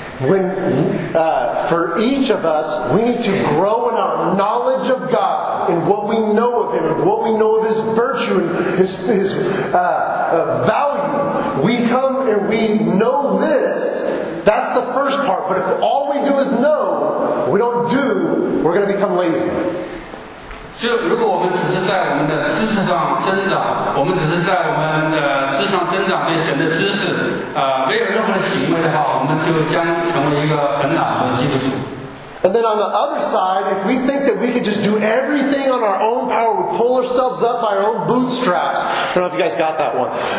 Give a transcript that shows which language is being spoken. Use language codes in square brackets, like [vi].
[en] For each of us, we need to grow in our knowledge of God and what we know of Him and what we know of His virtue and His value. We come and we know this. That's the first part. But if all we do is know, we don't do, we're going to become lazy. [zh] 就如果我们只是在我们的知识上增长，我们只是在我们的知识上增长，对神的知识没有任何的行为的话，我们就将成为一个很懒惰的基督徒。 [en] And then on the other side, if we think that we could just do everything on our own power, we pull ourselves up by our own bootstraps. I don't know if you guys got that one.